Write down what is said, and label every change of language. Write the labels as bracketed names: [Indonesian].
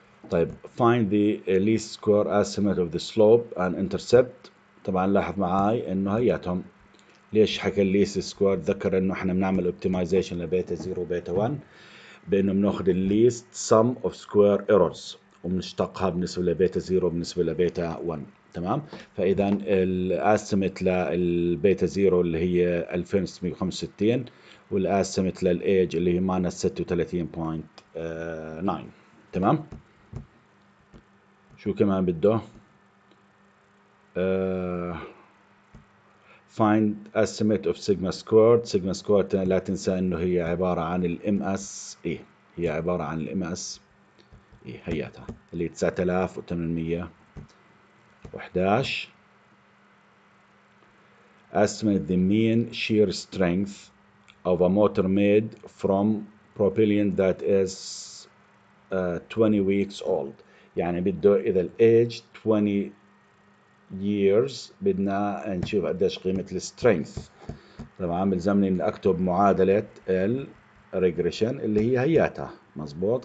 [English] طيب find the least square estimate of the slope and intercept. [Arabic] طبعا لاحظ معاي انه هياتهم ليش حكى الليست سكوير، ذكر انه احنا بنعمل اوبتمايزيشن لبيتا 0 وبيتا 1 بانه بناخذ الليست سم اوف سكوير ايرورز وبنشتقها بالنسبه لبيتا 0 وبالنسبه لبيتا 1، تمام. فاذا الاستيميت للبيتا 0 اللي هي 2665، والاستيميت للايج اللي هي ماينس 36.9، تمام. شو كمان بده؟ [English] find estimate of sigma squared. [Arabic] sigma squared لا تنسى انه هي عبارة عن الـ MSE، هي عبارة عن الـ MSE هياتها اللي 9811. [English] estimate the mean shear strength of a motor made from propellant that is 20 weeks old. [Arabic] يعني بده إذا الـ age 20 years بدنا نشوف قديش قيمة الـ strength. طبعا بلزمني ان اكتب معادلة الـ regression اللي هي هياتها، مزبوط.